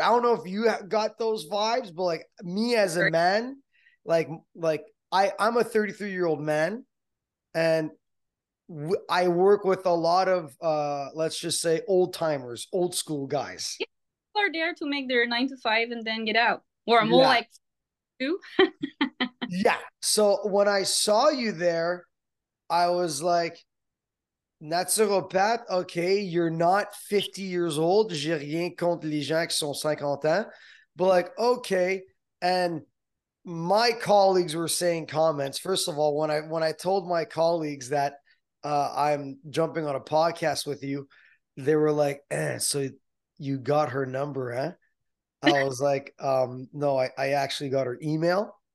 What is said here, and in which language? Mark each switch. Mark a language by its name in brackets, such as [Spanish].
[English] I don't know if you got those vibes, but like me as a man, like I'm a 33-year-old man, and I work with a lot of let's just say old timers, old school guys. Yeah. People are there to make their 9 to 5 and then get out. Or more yeah. like two. Yeah. So when I saw you there, I was like, naturopath, okay, you're not 50 years old. [French] J'ai rien contre les gens qui sont 50 ans. [English] But like, okay. And my colleagues were saying comments. First of all, when I told my colleagues that I'm jumping on a podcast with you, they were like, so you got her number, huh? I was like, no, I actually got her email.